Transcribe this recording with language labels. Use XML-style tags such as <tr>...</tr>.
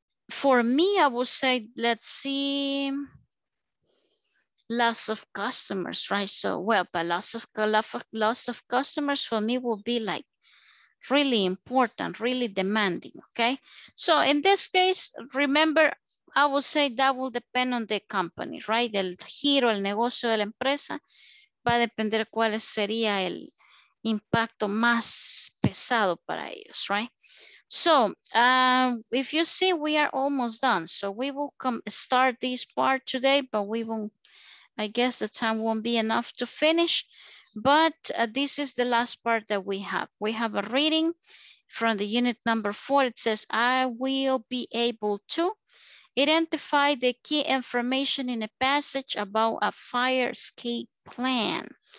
<en>For me, I would say, let's see, loss of customers, right? So, well, but loss of customers for me will be like really important, really demanding, okay? So in this case, remember, I would say that will depend on the company, right?</en> <es>El giro, el negocio de la empresa, va a depender cuál sería el impacto más pesado para ellos,</es> <en>right? So if you see, we are almost done. So we will start this part today, but we won't, I guess the time won't be enough to finish, but this is the last part that we have. We have a reading from the unit number 4. It says, I will be able to identify the key information in a passage about a fire escape plan.</en>